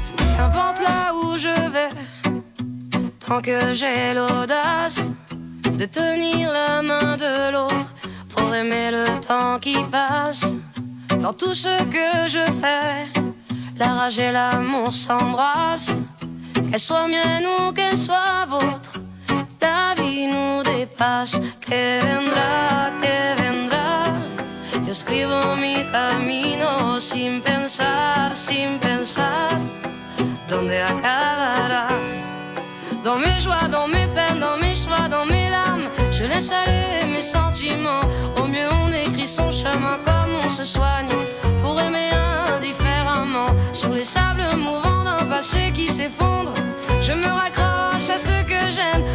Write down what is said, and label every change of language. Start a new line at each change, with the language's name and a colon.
French: Qu'importe là où je vais, tant que j'ai l'audace de tenir la main de l'autre. Aimer le temps qui passe dans tout ce que je fais, La rage et l'amour s'embrassent. Qu'elle soit mienne ou qu'elle soit vôtre, la vie nous dépasse.
Spanish: Que vendrá, que vendrá. Yo escribo mi camino sin pensar, sin pensar. ¿Dónde acabará?
French: Dans mes joies, dans mes peines, dans mes choix, dans mes larmes, je laisse aller mes sentiments. Au mieux on écrit son chemin comme on se soigne pour aimer indifféremment. Sur les sables mouvants d'un passé qui s'effondre, je me raccroche à ce que j'aime.